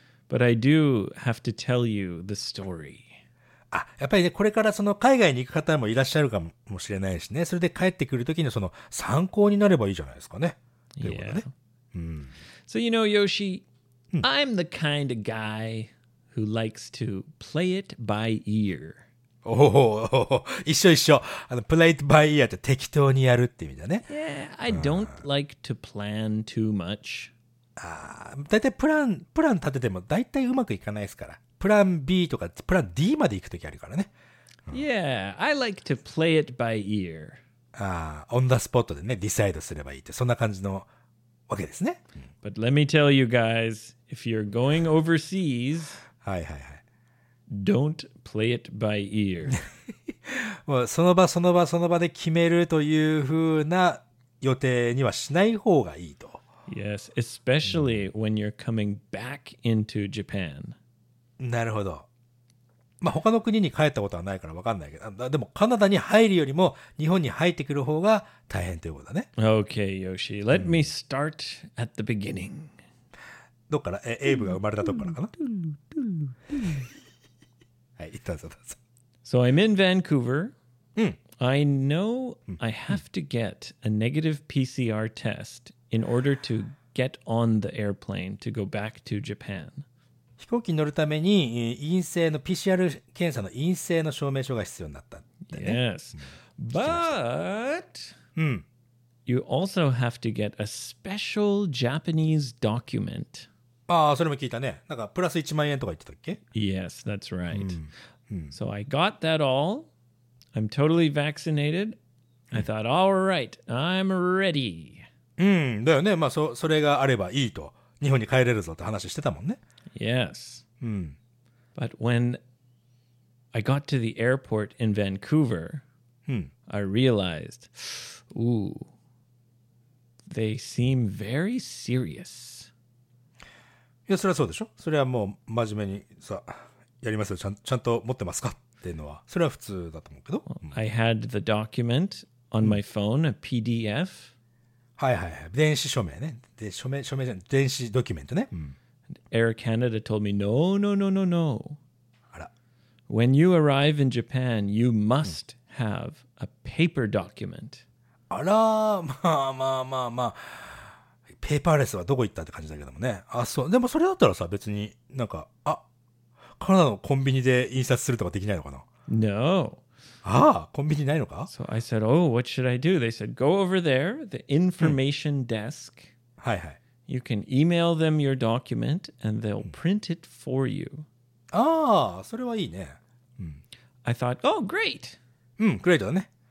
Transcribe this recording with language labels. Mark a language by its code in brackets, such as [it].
[en] But I do have to tell you the story. [ja] あ、やっぱりね、これからその海外に行く方もいらっしゃるかもしれないしね、それで帰ってくるときのその参考になればいいじゃないですかね。 [en] Yeah. [ja] うん。 [en] So, you know, Yoshi, I'm the kind of guy who likes to play it by ear. Oh, play it by ear [ja] って適当にやるって意味だね。 [en] Yeah, I don't like to plan too much. [ja] ああ、だいたいプラン立ててもだいたいうまくいかないですから。プラン B とかプラン D まで行くときあるからね。 [en] Yeah, I like to play it by ear. [ja] ああ、オンダスポットでね、ディサイドすればいいって、そんな感じのわけですね。 [en] But let me tell you guys, if you're going overseas, [ja] はいはいはい。 [en] Don't play it by ear. [ja] もうその場その場その場で決めるというふうな予定にはしない方がいいと。 [en] Yes, especially when you're coming back into Japan. [ja] なるほど。まあ他の国に帰ったことはないから分かんないけど、でもカナダに入るよりも日本に入ってくる方が大変ということだね。 [en] Okay, Yoshi. Let me start at the beginning. [ja] どっから？エイブが生まれたとこからかな？はい、どうぞどうぞ。 [en] So I'm in Vancouver. I know I have to get a negative PCR test in order to get on the airplane to go back to Japan. [ja] 飛行機に乗るために陰性の PCR 検査の陰性の証明書が必要になったって、ね。 [en] Yes. But、you also have to get a special Japanese document. [ja] ああ、それも聞いたね。なんかプラス1万円とか言ってたっけ? [en] Yes, that's right.、So I got that all. I'm totally vaccinated. I thought, all right, I'm ready. [ja] だよね。まあ、それがあればいいと。日本に帰れるぞって話してたもんね。 [en] Yes.、 But when I got to the airport in Vancouver,、I realized, ooh, they seem very serious. [ja] いや、それはそうでしょ。それはもう真面目にさ、やりますよ。ちゃんと持ってますか?それは普通だと思うけど。 [en] I had the document on my phone, a PDF. [ja] はいはいはい。電子署名ね。で、署名じゃん。電子ドキュメントね。 [en] Air Canada told me, no, no, no, no, no. [ja] あら。 [en] When you arrive in Japan, you must have a paper document. [ja] あら、まあ。ペーパーレスはどこ行ったって感じだけどもね。あ、そう。でもそれだったらさ、別になんか、あカナダのコンビニで印刷するとかできないのかな? [en] No. [ja] ああ、コンビニないのか? [en] So I said, oh, what should I do? They said, go over there, the information desk. [ja] はいはい。 [en] You can email them your document and they'll print it for you. [ja] ああ、それはいいね。 [en] I thought, oh, great! [ja] great だね。